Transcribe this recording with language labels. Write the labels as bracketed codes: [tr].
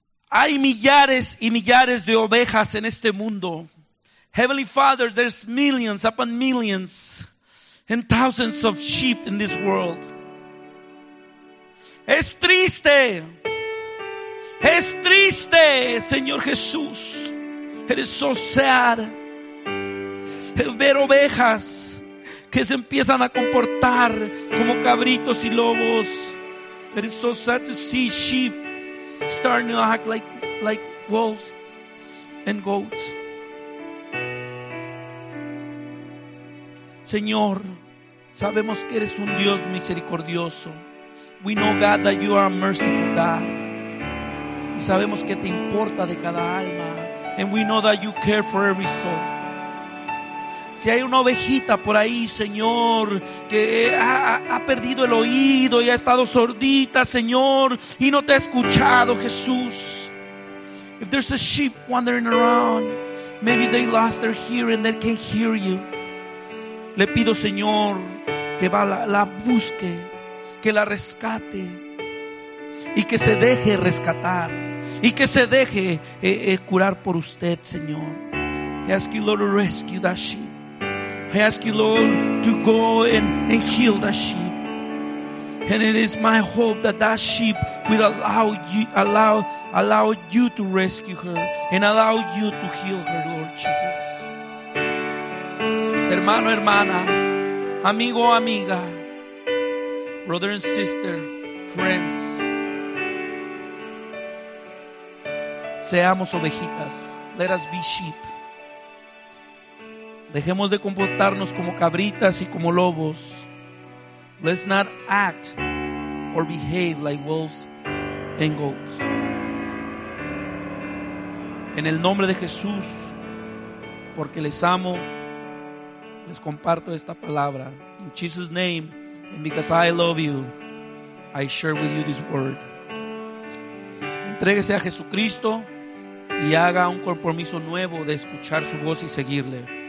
[es] Hay millares y millares de ovejas en este mundo. [en] Heavenly Father, there's millions upon millions and thousands of sheep in this world. [es] Es triste. Es triste, Señor Jesús. [en] It is so sad. [es] Ver ovejas que se empiezan a comportar como cabritos y lobos. [en] It is so sad to see sheep starting to act like wolves and goats. [es] Señor, sabemos que eres un Dios misericordioso. [en] We know, God, that you are a merciful God. [es] Y sabemos que te importa de cada alma. [en] And we know that you care for every soul. [es] Si hay una ovejita por ahí, Señor, que ha perdido el oído y ha estado sordita, Señor, y no te ha escuchado, Jesús. [en] If there's a sheep wandering around, maybe they lost their hearing and they can't hear you. [es] Le pido, Señor, que la busque, que la rescate y que se deje rescatar y que se deje curar por usted, Señor. [en] I ask you, Lord, to rescue that sheep. I ask you, Lord, to go and heal that sheep. And it is my hope that that sheep will allow you to rescue her and allow you to heal her, Lord Jesus. [es] Hermano, hermana, amigo, amiga, [en] brother and sister, friends, [es] seamos ovejitas. [en] Let us be sheep. [es] Dejemos de comportarnos como cabritas y como lobos. [en] Let's not act or behave like wolves and goats. [es] En el nombre de Jesús, porque les amo, les comparto esta palabra. [en] In Jesus' name, and because I love you, I share with you this word. [es] Entréguese a Jesucristo y haga un compromiso nuevo de escuchar su voz y seguirle.